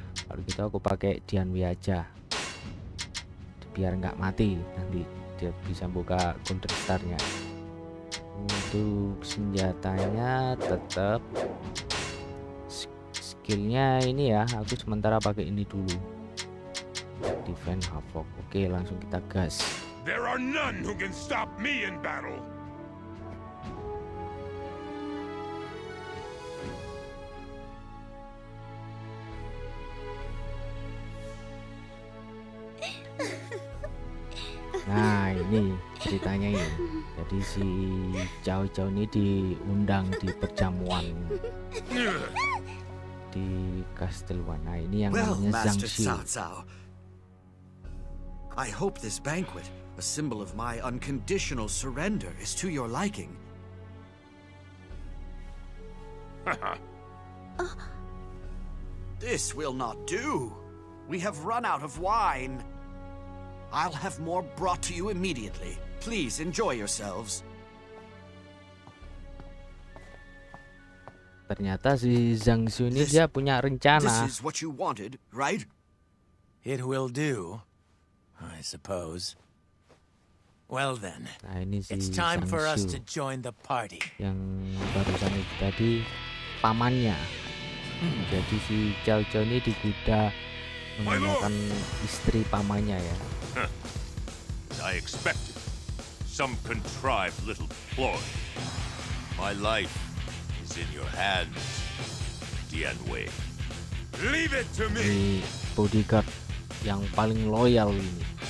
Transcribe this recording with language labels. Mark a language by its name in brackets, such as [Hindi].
[Indonesian] Kalau gitu aku pakai Dian Wei aja biar nggak mati, nanti dia bisa buka counter star-nya. Untuk senjatanya tetap, skillnya ini ya, aku sementara pakai ini dulu. Defend Havoc. Oke, langsung kita gas. [English] There are none who can stop me in battle. [Indonesian] Nah, ini ceritanya ini. Jadi si Chao Chao ini diundang di perjamuan di Kastil Wana ini yang namanya Zhang [English] Xiu. I hope this banquet, a symbol of my unconditional surrender, is to your liking. This will not do. We have run out of wine. I'll have more brought to you immediately. Please enjoy yourselves. [Indonesian] Ternyata si Zhang Xu ini dia punya rencana. [English] This is what you wanted, right? It will do, I suppose. Well then, [Indonesian] nah, ini si [English] it's time for us to join the party. [Indonesian] Yang barusan itu tadi pamannya. Jadi si Zhao Zhao ini dikuda menggunakan istri pamannya ya. [English] I expected some contrived little ploy. My life is in your hands, Dian Wei. Leave it to me. [Indonesian] Bodyguard yang paling loyal ini.